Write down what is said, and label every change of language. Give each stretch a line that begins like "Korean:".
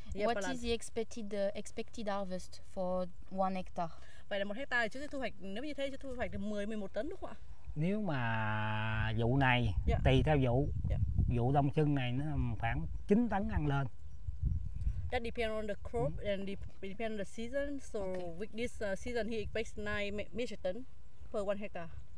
English: Yeah, what is the expected harvest for 1 hectare?
Vietnamese: Vậy là 1 hectare chú sẽ thu hoạch, nếu như thế chú thu hoạch được 10-11 tấn đúng không ạ? Nếu mà vụ này tùy theo vụ. Vụ đông xuân này nó khoảng 9 tấn ăn lên.
English: That depend on the crop and depend on the season. So with this season, he expects 9 metric ton per 1 hectare.